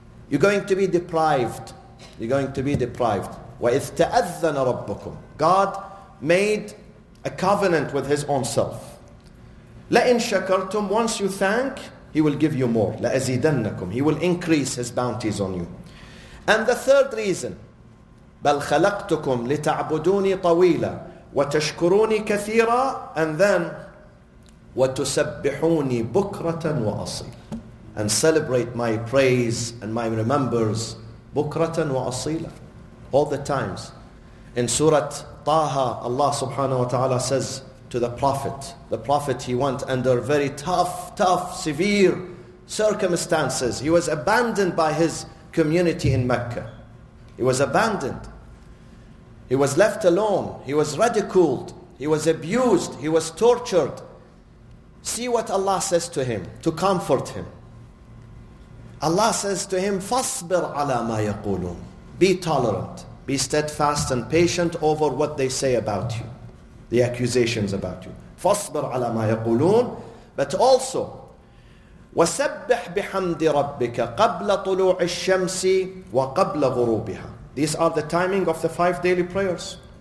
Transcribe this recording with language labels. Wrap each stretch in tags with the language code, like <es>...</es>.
<en>You're going to be deprived. You're going to be deprived.</en> <ar>وَإِذْ تَأَذَّنَ رَبُّكُمْ.</ar> <en>God made a covenant with his own self.</en> <ar>لَإِنْ شَكَرْتُمْ.</ar> <en>Once you thank, he will give you more.</en> <ar>لَأَزِيدَنَّكُمْ.</ar> <en>He will increase his bounties on you. And the third reason,</en> <ar>بَلْ خَلَقْتُكُمْ لِتَعْبُدُونِي طَوِيلًا وَتَشْكُرُونِي كَثِيرًا.</ar> <en>And then,</en> <ar>وَتُسَبِّحُونِي بُكْرَةً وَأَصِيلًا.</ar> <en>And celebrate my praise and my remembers,</en> <ar>بُكْرَةً وَأَصِيلًا.</ar> <en>All the times. In Surah Taha, Allah subhanahu wa ta'ala says to the Prophet. The Prophet, he went under very tough, severe circumstances. He was abandoned by his community in Mecca. He was abandoned. He was left alone. He was ridiculed. He was abused. He was tortured. See what Allah says to him to comfort him. Allah says to him,</en> <ar>فَاصْبِرْ عَلَى مَا يَقُولُونَ.</ar> <en>Be tolerant. Be steadfast and patient over what they say about you. The accusations about you.</en> <ar>فَاصْبِرْ عَلَى مَا يَقُولُونَ.</ar> <en>But also,</en> <ar>وَسَبِّحْ بِحَمْدِ رَبِّكَ قَبْلَ طُلُوعِ الشَّمْسِ وَقَبْلَ غُرُوبِهَا.</ar> <en>These are the timing of the 5 daily prayers.</en>